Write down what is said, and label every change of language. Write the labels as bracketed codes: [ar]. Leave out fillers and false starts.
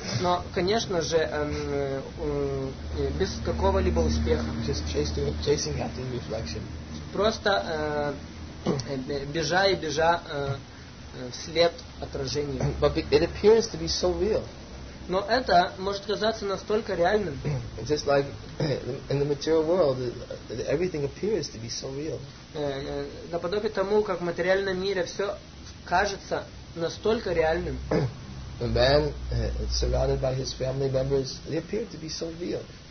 [ru] Но, конечно же, без какого-либо успеха. [en] Just chasing after the reflection. [ru] Просто бежа вслед отражению. [en] But it appears to be so real. [ru] Но это может казаться настолько реальным. [en] Just like in the material world, everything appears to be so real. [ru] Наподобие тому, как в материальном мире все кажется настолько реальным. [en] A man surrounded by his family members, they appear to be so real.